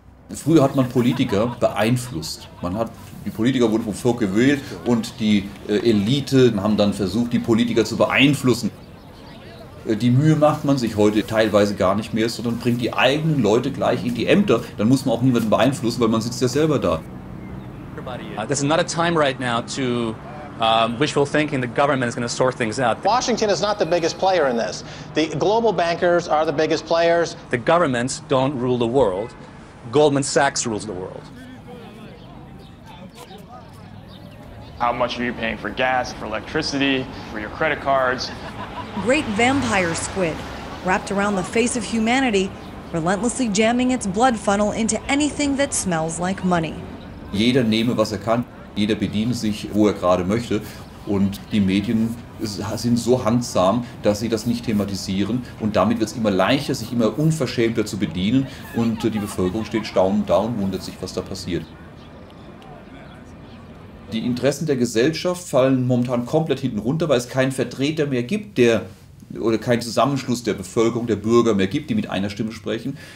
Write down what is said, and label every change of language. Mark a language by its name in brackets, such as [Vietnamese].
[German] Früher hat man Politiker beeinflusst. Die Politiker wurden vom Volk gewählt und die Elite haben dann versucht, die Politiker zu beeinflussen. Die Mühe macht man sich heute teilweise gar nicht mehr, sondern bringt die eigenen Leute gleich in die Ämter. Dann muss man auch niemanden beeinflussen, weil man sitzt ja selber da. [English] This is not a time right now to wishful thinking the government is going to sort things out. Washington is not the biggest player in this. The global bankers are the biggest players. The governments don't rule the world. Goldman Sachs rules the world. How much are you paying for gas, for electricity, for your credit cards? Great vampire squid, wrapped around the face of humanity, relentlessly jamming its blood funnel into anything that smells like money. [German] Jeder nehme, was er kann. Jeder bediene sich, wo er gerade möchte. Und die Medien sind so handsam, dass sie das nicht thematisieren. Und damit wird es immer leichter, sich immer unverschämter zu bedienen. Und die Bevölkerung steht staunend da und wundert sich, was da passiert. Die Interessen der Gesellschaft fallen momentan komplett hinten runter, weil es keinen Vertreter mehr gibt, keinen Zusammenschluss der Bevölkerung, der Bürger mehr gibt, die mit einer Stimme sprechen.